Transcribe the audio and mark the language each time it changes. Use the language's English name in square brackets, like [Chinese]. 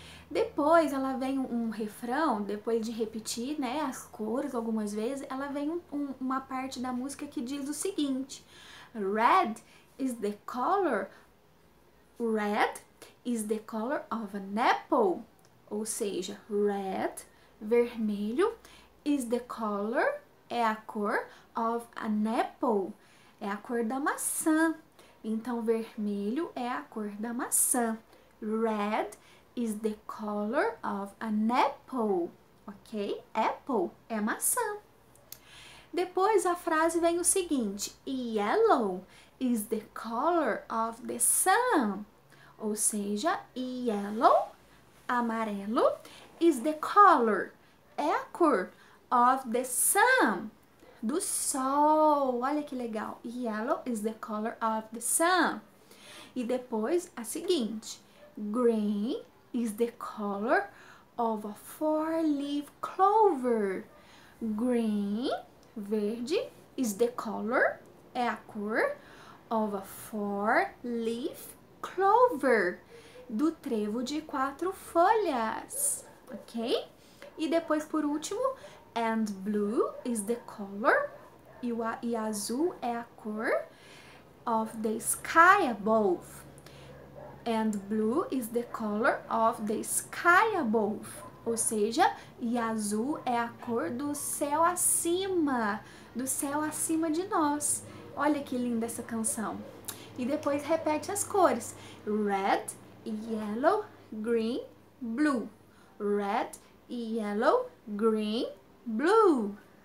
[Portuguese] Depois ela vem um refrão, depois de repetir, né, as cores algumas vezes, ela vem uma parte da música que diz o seguinte: [English] Red is the color, red is the color of an apple. [Portuguese] Ou seja, red, vermelho, [English] is the color, [Portuguese] é a cor [English] of an apple, [Portuguese] é a cor da maçã. Então, vermelho é a cor da maçã. [English] Red is the color of an apple, ok? [Portuguese] Apple é maçã. Depois a frase vem o seguinte: [English] Yellow is the color of the sun. [Portuguese] Ou seja, yellow, amarelo, [English] is the color, [Portuguese] é a cor [English] of the sun. [Portuguese] Do sol, olha que legal. [English] Yellow is the color of the sun. [Portuguese] E depois a seguinte: [English] Green is the color of a four-leaf clover. [Portuguese] Green, verde, [English] is the color, [Portuguese] é a cor [English] of a four-leaf clover, [Portuguese] do trevo de quatro folhas. Ok? E depois por último: [English] And blue is the color. [Portuguese] E azul é a cor [English] of the sky above. And blue is the color of the sky above. [Portuguese] Ou seja, e azul é a cor do céu acima. Do céu acima de nós. Olha que linda essa canção. E depois repete as cores: [English] Red, yellow, green, blue. Red, yellow, green, blue.